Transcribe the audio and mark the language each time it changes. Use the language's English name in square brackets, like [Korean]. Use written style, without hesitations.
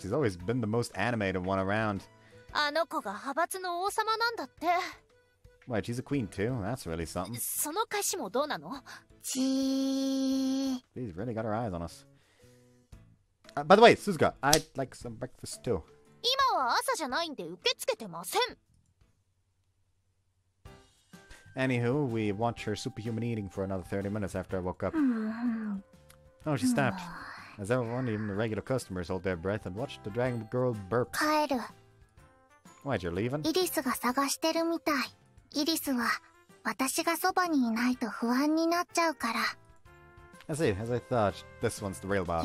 [English] She's always been the most animated one around. [Japanese] あの子が派閥の王様なんだって。 [English] Why, she's a queen too. That's really something. [Japanese] その返しもどうなの？ちー。 [English] She's really got her eyes on us. By the way, Suzuka, I'd like some breakfast too. [Japanese] 今は朝じゃないんで受け付けてません。 [English] Anywho, we watched her superhuman eating for another 30 minutes after I woke up. Oh, she stopped. As everyone, even the regular customers, hold their breath and watch the dragon girl burp. [Japanese] 帰る。 [English] Why, you're leaving? [Japanese] イリスが探してるみたい。イリスは私がそばにいないと不安になっちゃうから。 [English] I see, as I thought, this one's the real boss.